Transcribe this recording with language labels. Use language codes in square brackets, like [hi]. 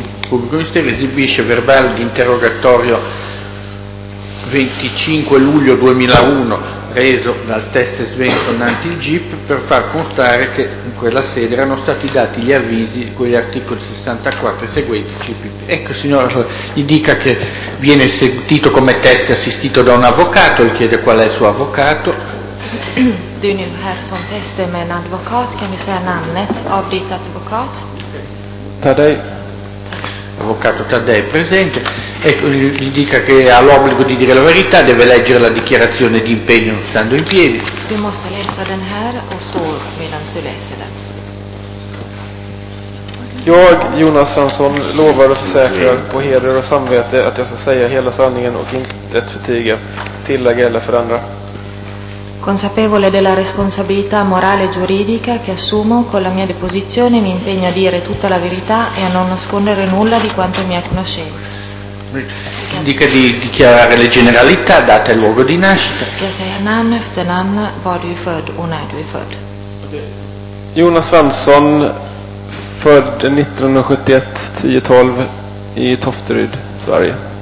[it] Pubblico Ministero esibisce verbale di interrogatorio 25 luglio 2001 reso dal test Svensson anti GIP per far constare che in quella sede erano stati dati gli avvisi con gli articoli 64 e seguenti CPP. Ecco, signor, gli dica che viene sentito come test assistito da un avvocato, gli chiede qual è il suo avvocato. [sv] Du nu här som test med en advokat, kan du säga namnet av ditt advokat? Taddei. [it] Avvocato Taddei presente. Ecco, gli dica che ha l'obbligo di dire la verità, deve leggere la dichiarazione di impegno stando in piedi. [sv] Du måste läsa den här och stå medan du läser den. Jag, Jonas Svensson, lovar och försäkrar på heder och samvete att jag ska säga hela sanningen och inte förtiga, tillägga eller förändra. [it] Consapevole della responsabilità morale e giuridica che assumo con la mia deposizione, mi impegno a dire tutta la verità e a non nascondere nulla di quanto mi è conoscenza. Dica di dichiarare le generalità, data e luogo di nascita. [sv] Namn efter namn, var du född och när du är född. Jonas Svensson, född 1971-10-12 i Tofteryd, Sverige.